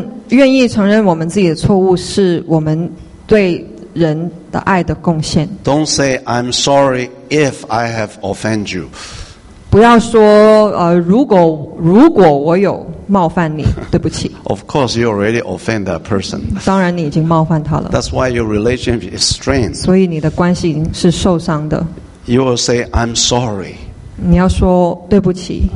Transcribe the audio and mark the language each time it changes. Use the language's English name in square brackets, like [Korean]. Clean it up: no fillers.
[Chinese] 愿意承认我们自己的错误是我们对人的爱的贡献。 [English] Don't say I'm sorry if I have offended you. [Chinese] 不要说如果我有冒犯你，对不起。 [English] Of course, you already offend that person. [Chinese] 当然，你已经冒犯他了。 [English] That's why your relationship is strained. [Chinese] 所以你的关系是受伤的。 [English] You will say, "I'm sorry." [Chinese] 你要说对不起。